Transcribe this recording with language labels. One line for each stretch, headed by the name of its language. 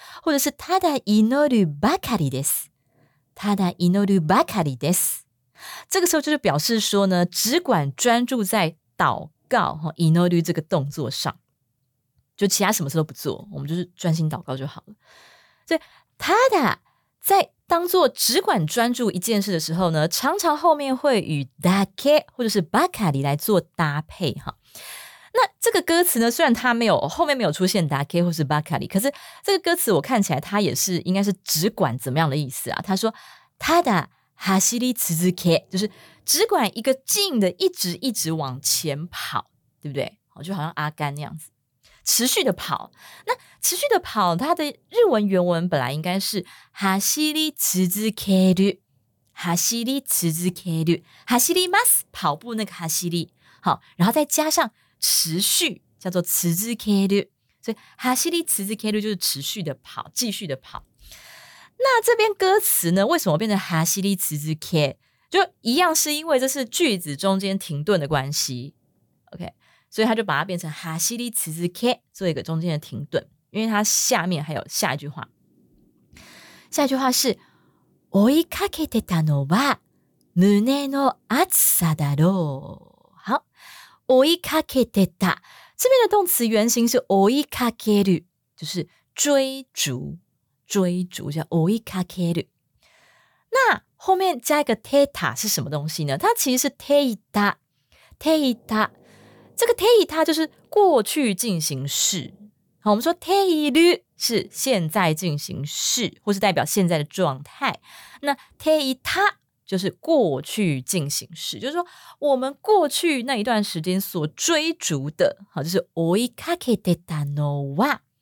Japanese: 或者是ただ祈るばかりです。ただ祈るばかりです。
Chinese: 这个时候就是表示说呢，只管专注在祷告和祈る这个动作上。就其他什么事都不做，我们就是专心祷告就好了。所以ただ在当作只管专注一件事的时候呢，常常后面会与だけ或者是ばかり来做搭配哈。那这个歌词呢，虽然它没有后面没有出现だけ或是ばかり，可是这个歌词我看起来它也是应该是只管怎么样的意思啊。他说ただ走り続け，就是只管一个劲的一直一直往前跑，对不对？就好像阿甘那样子，持续的跑。那持续的跑，它的日文原文本来应该是走り続ける，走り続ける，走ります，跑步那个走り。好，然后再加上持续，叫做続ける。所以走り続ける就是持续的跑，继续的跑。那这边歌词呢，为什么变成走り続け？就一样是因为这是句子中间停顿的关系 ，OK， 所以他就把它变成哈西里茨兹 K 做一个中间的停顿，因为它下面还有下一句话，下一句话是
Japanese: 追いかけてたのは胸の熱さだろう。
Chinese: 好，追いかけてた这边的动词原型是追いかける，就是追逐，追逐叫追いかける。那后面加一个 teta 是什么东西呢？它其实是 teita， teita， 这个 teita 就是过去进行式。好，我们说 teiru 是现在进行式，或是代表现在的状态。那 teita 就是过去进行式，就是说我们过去那一段时间所追逐的，好，就是
Japanese: 追いかけてたのは。